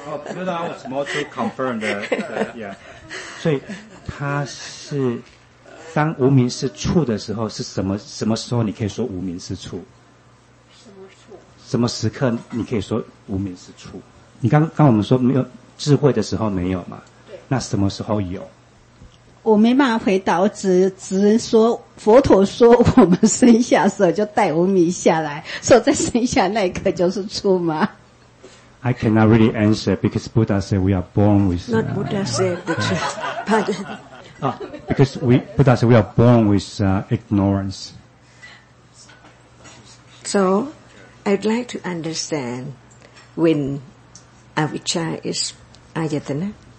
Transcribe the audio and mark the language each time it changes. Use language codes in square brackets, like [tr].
[en] oh, no, no, I was more to confirm that, yeah. [zh] 所以它是当无明是处的时候是什么时候你可以说无明是处什么时刻你可以说无明是处？你刚我们说没有智慧的时候没有嘛？对。那什么时候有？我没办法回答，我只能说佛陀说我们生下的时候就带无明下来，所以在生下那一刻就是处吗 [en] ？I cannot really answer because Buddha said we are born with. Not Buddha said the truth, pardon. Because Buddha said we are born with ignorance. So. I'd like to understand when avijja is ayatana.